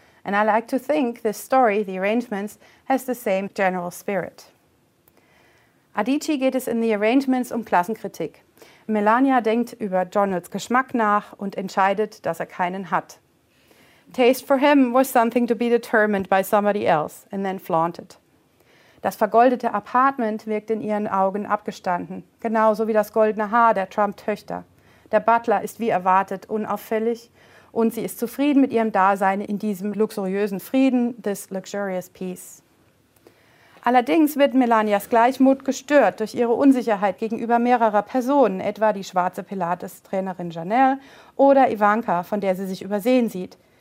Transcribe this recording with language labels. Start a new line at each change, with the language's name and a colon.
English: And I like to think this story, The Arrangements, has the same general spirit.
German: Adichie geht es in The Arrangements um Klassenkritik. Melania denkt über Donalds Geschmack nach und entscheidet, dass er keinen hat.
English: Taste for him was something to be determined by somebody else and then flaunted.
German: Das vergoldete Apartment wirkt in ihren Augen abgestanden, genauso wie das goldene Haar der Trump-Töchter. Der Butler ist wie erwartet unauffällig und sie ist zufrieden mit ihrem Dasein in diesem luxuriösen Frieden,
English: this luxurious peace.
German: Allerdings wird Melanias Gleichmut gestört durch ihre Unsicherheit gegenüber mehrerer Personen, etwa die schwarze Pilates-Trainerin Janelle oder Ivanka, von der sie sich übersehen sieht.